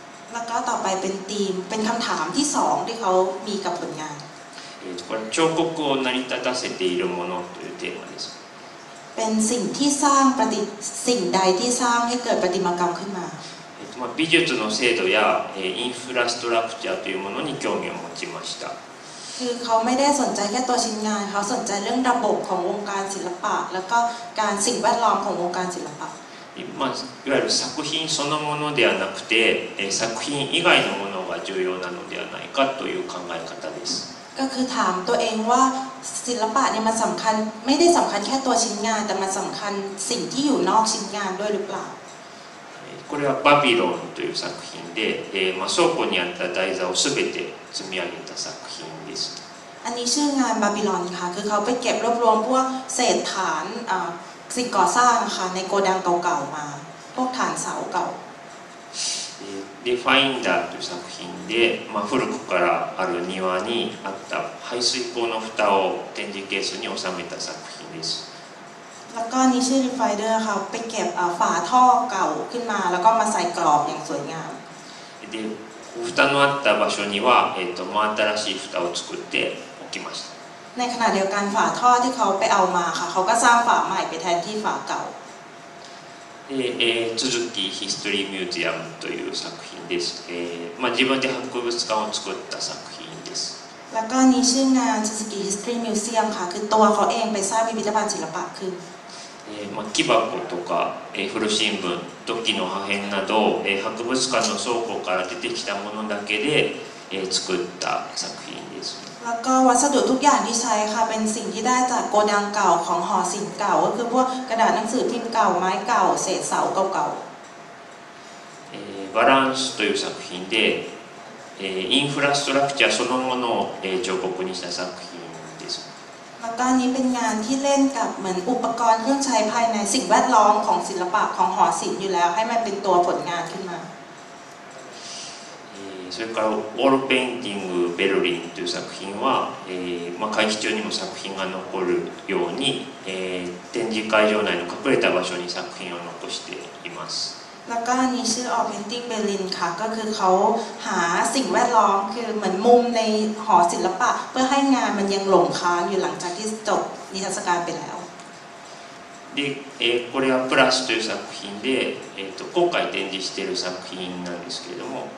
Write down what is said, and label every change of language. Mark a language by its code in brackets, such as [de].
[th] แล้วก็ต่อไปเป็นธีมเป็นคำถามที่สองที่เขามีกับผลงาน [ja] これ彫刻を成り立たせているものというテーマです [th] เป็นสิ่งที่สร้างประดิสิ่งใดที่สร้างให้เกิดประติมากรรมขึ้นมา [ja] 美術の精度やインフラストラクチャーというものに興味を持ちました [th] คือเขาไม่ได้สนใจแค่ตัวชิ้นงานเขาสนใจเรื่องระบบขององค์การศิลปะแล้วก็การสิ่งแวดล้อมขององค์การศิลปะ [ja] まあ、いわゆる作品そのものではなくて、作品以外のものが重要なのではないかという考え方です。 [th] ก็คือถามตัวเองว่าศิลปะเนี่ยมันสำคัญไม่ได้สำคัญแค่ตัวชิ้นงานแต่มันสำคัญสิ่งที่อยู่นอกชิ้นงานด้วยหรือเปล่า [ja] これはバビロンという作品で、まあ、倉庫にあった台座をすべて積み上げた作品です。 [th] อันนี้ชื่องานบาบิลอนค่ะคือเขาไปเก็บรวบรวมพวกเศษฐานสิ่งก่อสร้างค่ะในโกดังเก่าๆมาพวกฐานเสาเก่า [ja] で、ファインダーという作品で、まあ、古くからある庭にあった排水口の蓋を展示ケースに収めた作品です。 [th] แล้วก็นี่ชื่อファイダーค่ะไปเก็บฝาท่อเก่าขึ้นมาแล้วก็มาใส่กรอบอย่างสวยงาม [ja] で、蓋のあった場所には、新しい蓋を作っておきました。 [th] ในขณะเดียวกันฝาท่อที่เขาไปเอามาค่ะเขาก็สร้างฝาใหม่ไปแทนที่ฝาเก่า [ja] ซูซูกิฮิสตอรีมิวเซียมという作品ですまあ自分で博物館を作った作品です [th] แล้วก็นี้ชื่องานซูซูกิฮิสตอรีมิวเซียมค่ะคือตัวเขาเองไปสร้างพิพิธภัณฑ์ศิลปะขึ้น [ja] まあ木箱とか古新聞土器の破片など博物館の倉庫から出てきたものだけで作った作品です [th] แล้วก็วัสดุทุกอย่างที่ใช้ค่ะเป็นสิ่งที่ได้จากโกดังเก่าของหอศิลป์เก่าก็คือพวกกระดาษหนังสือพิมพ์เก่าไม้เก่าเศษเสาเก่า [ja] ๆบาลานซ์という作品でインフラストラクチャーそのものを彫刻にした作品です [th] แล้วก็นี้เป็นงานที่เล่นกับเหมือนอุปกรณ์เครื่องใช้ภายในสิ่งแวดล้อมของศิลปะของหอศิลป์อยู่แล้วให้มันเป็นตัวผลงานขึ้นมา [ja] それからウォールペインティングベルリンという作品は、まあ、会期中にも作品が残るように、展示会場内の隠れた場所に作品を残しています。 [th] แล้วก็นี่ชื่อ Wall Painting Berlin ค่ะก็คือเขาหาสิ่งแวดล้อมคือเหมือนมุมในหอศิลปะเพื่อให้งานมันยังหลงค้างอยู่หลังจากที่จบนิทรรศการไปแล้ว [ja] で、これはプラスという作品で、今回展示している作品なんですけれども